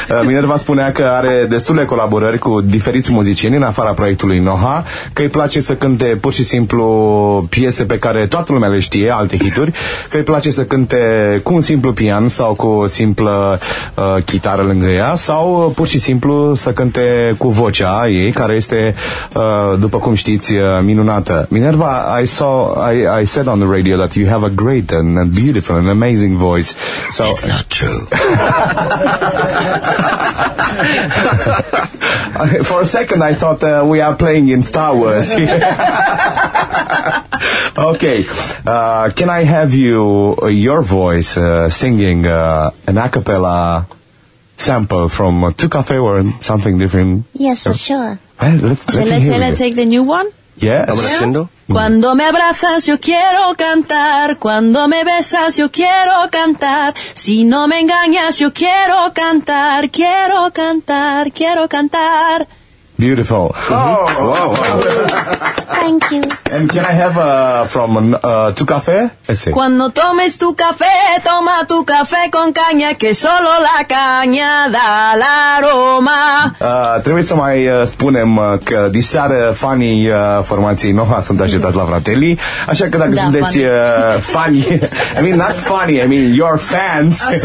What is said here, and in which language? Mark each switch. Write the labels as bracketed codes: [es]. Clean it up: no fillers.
[ro] Minerva spunea că are destule colaborări cu diferiți muzicieni în afara proiectului Noha, că îi place să cânte pur și simplu piese pe care toată lumea le știe, alte hituri, că îi place să cânte cu un simplu pian sau cu o simplă chitară lângă ea sau pur și simplu să cânte cu vocea ei, care este, după cum știți, minunată. [en] Minerva, I said on the radio that you have a great and a beautiful and amazing voice. So, it's not true. For a second I thought we are playing in Star Wars. Okay, can I have you, your voice, singing an a cappella sample from Two Cafe or something different? Yes, for sure. Let's take the new one? Yes. [es] Cuando me abrazas yo quiero cantar, cuando me besas yo quiero cantar, si no me engañas yo quiero cantar, quiero cantar, quiero cantar. [en] Beautiful. Mm-hmm. Oh, wow. Thank you. And can I have from Tu Café? [es] Cuando tomes tu café, toma tu café con caña, que solo la caña da la aroma. [ro] Trebuie să mai spunem că diseară fanii formației Noha sunt așteptați la Fratelli, așa că dacă sunteți fani, [en] I mean not funny, I mean your fans.